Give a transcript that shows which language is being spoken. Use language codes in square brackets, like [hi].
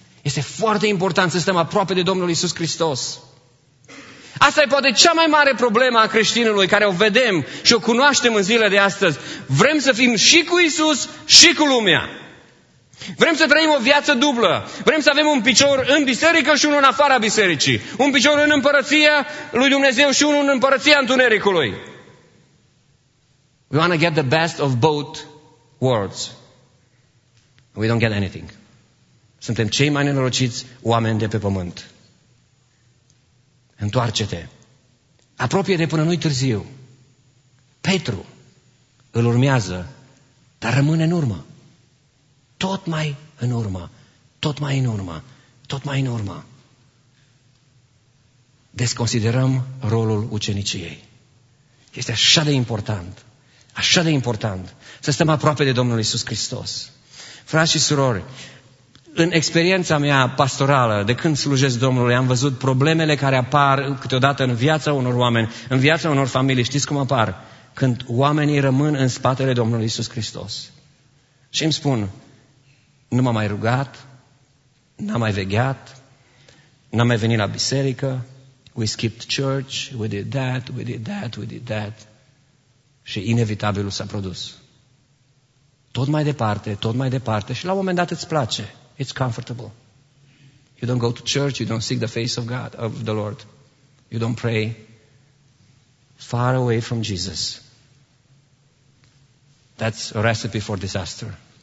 [ro] Este foarte important să stăm aproape de Domnul Iisus Hristos. Asta e poate cea mai mare problemă a creștinului, care o vedem și o cunoaștem în zilele de astăzi. Vrem să fim și cu Iisus și cu lumea. Vrem să trăim o viață dublă. Vrem să avem un picior în biserică și unul în afara bisericii. Un picior în împărăția lui Dumnezeu și unul în împărăția întunericului. [en] We want to get the best of both worlds. We don't get anything. [ro] Suntem cei mai nenorociți oameni de pe pământ. Întoarce-te. Apropie-te până nu-i târziu. Petru îl urmează, dar rămâne în urmă. Tot mai în urmă, tot mai în urmă, tot mai în urmă. Desconsiderăm rolul uceniciei. Este așa de important, așa de important să stăm aproape de Domnul Iisus Hristos. Frați și surori, în experiența mea pastorală, de când slujesc Domnului, am văzut problemele care apar câteodată în viața unor oameni, în viața unor familii. Știți cum apar? Când oamenii rămân în spatele Domnului Iisus Hristos. Și îmi spun... Nu m-am mai rugat, n-am mai vegheat, n-am mai venit la biserică, [en] we skipped church, we did that, [ro] we did that, we did that. Și inevitabilul s-a produs. Tot mai departe, tot mai departe și la un moment dat îți place. [en] It's comfortable. You don't go to church, you don't seek the face of God, of the Lord. You don't pray far away from Jesus. That's a recipe for disaster.